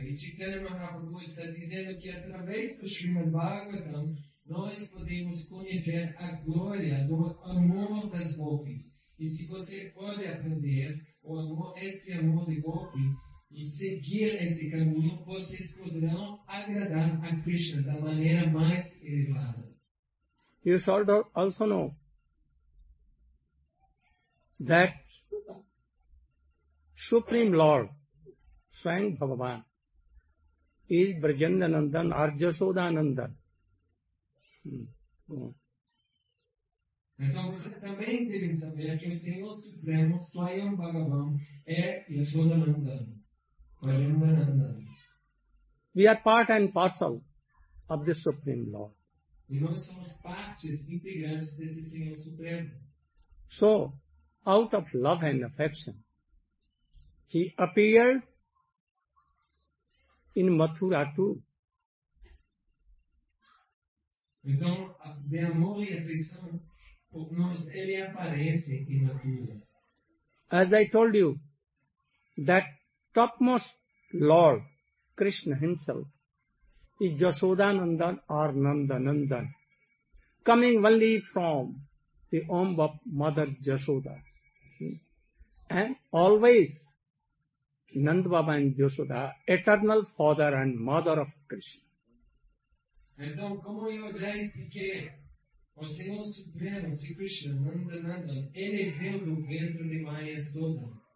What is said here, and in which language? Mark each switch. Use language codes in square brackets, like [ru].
[pt] E Chaitanya Mahaprabhu está dizendo que através do Srimad Bhagavatam nós podemos conhecer a glória do amor das Gopis. E se você pode aprender o amor, esse amor de Gopi, e seguir esse caminho, vocês poderão agradar a Krishna da maneira mais elevada. [en] You should also know that Supreme Lord, Swayam Bhagavan, is Brajendanandan, Arjasodanandan. [pt] Então vocês também devem saber que o Senhor Supremo, Swayam Bhagavan, é Yasodanandan, Brajendanandan. [en] We are part and parcel of the Supreme Lord. [pt] E nós somos partes integrantes desse Senhor Supremo. [en] So, out of love and affection, he appeared in Mathura too. [pt] Então, de amor e afeição, por nós, ele aparece em Mathura. [en] As I told you, that topmost Lord, Krishna himself, is Yasodanandan or Nandanandan, coming only from the womb of Mother Yasoda. And always Nandbaba and Yasoda, eternal father and mother of Krishna. [pt] Então, como eu já expliquei, o Senhor Supremo, Sri Krishna, Nandanandan, ele veio do ventre de Maya Yasoda.